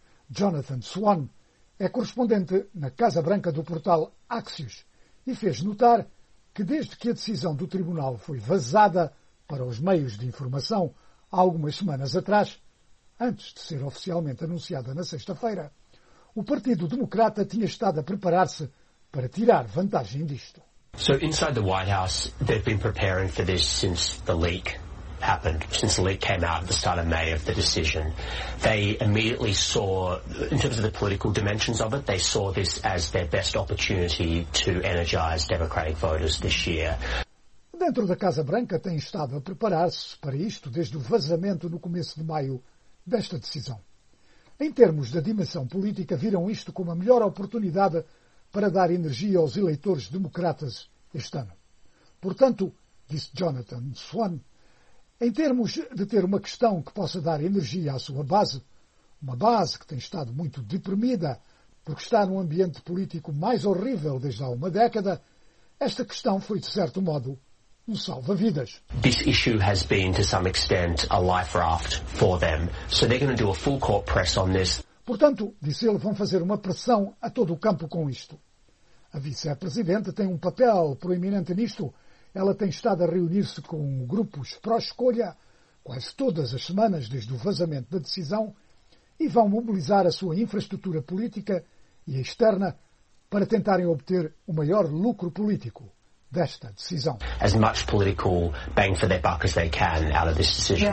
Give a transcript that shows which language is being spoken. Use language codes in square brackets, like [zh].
[pt] Jonathan Swan é correspondente na Casa Branca do portal Axios e fez notar que desde que a decisão do tribunal foi vazada para os meios de informação há algumas semanas atrás, antes de ser oficialmente anunciada na sexta-feira, o Partido Democrata tinha estado a preparar-se para tirar vantagem disto. [en] So inside the White House, they've been preparing for this since the leak happened, since the leak came out at the start of May of the decision. They immediately saw, in terms of the political dimensions of it, they saw this as their best opportunity to energize Democratic voters this year. [pt] Dentro da Casa Branca tem estado a preparar-se para isto desde o vazamento no começo de maio desta decisão. Em termos da dimensão política, viram isto como a melhor oportunidade para dar energia aos eleitores democratas este ano. Portanto, disse Jonathan Swan, em termos de ter uma questão que possa dar energia à sua base, uma base que tem estado muito deprimida porque está num ambiente político mais horrível desde há uma década, esta questão foi, de certo modo, um salva-vidas. [en] This issue has been, to some extent, a life raft for them. So they're going to do a full court press on this. [pt] Portanto, disse ele, vão fazer uma pressão a todo o campo com isto. A vice-presidente tem um papel proeminente nisto. Ela tem estado a reunir-se com grupos pró-escolha quase todas as semanas desde o vazamento da decisão e vão mobilizar a sua infraestrutura política e externa para tentarem obter o maior lucro político desta decisão. [en] As much political bang for their buck as they can out of this decision.